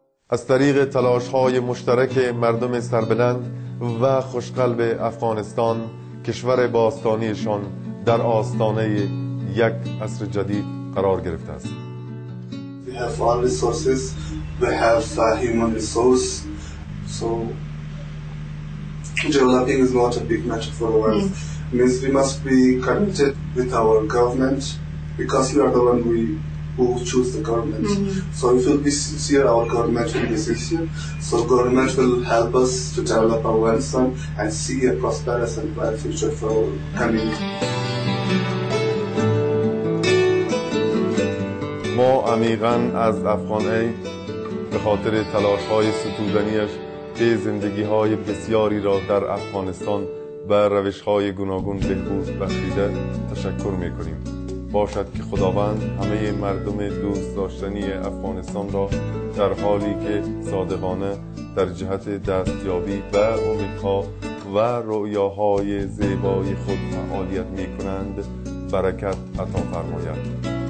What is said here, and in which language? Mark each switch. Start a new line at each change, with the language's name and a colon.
Persian: از طریق تلاش‌های مشترک مردم سربلند و خوشقلب افغانستان، کشور باستانیشان در آستانه یک عصر جدید قرار گرفته است.
English: We have all resources, we have human resource, so developing is not a big matter for us. Means we must be connected with our government because we are the one who choose the government. Mm-hmm. So if we'll be sincere, our government will be sincere. So government will help us to develop Afghanistan and see a prosperous and bright future for our community.
Persian: ما عمیقا از افغان ای به خاطر تلاش های ستودنیش به زندگی های بسیاری را در افغانستان بر روش های گوناگون بهبود بخشیده تشکر می کنیم. باشد که خداوند همه مردم دوست داشتنی افغانستان را در حالی که صادقانه در جهت دستیابی و امیدها و رؤیاهای زیبای خود فعالیت می کنند برکت عطا فرماید.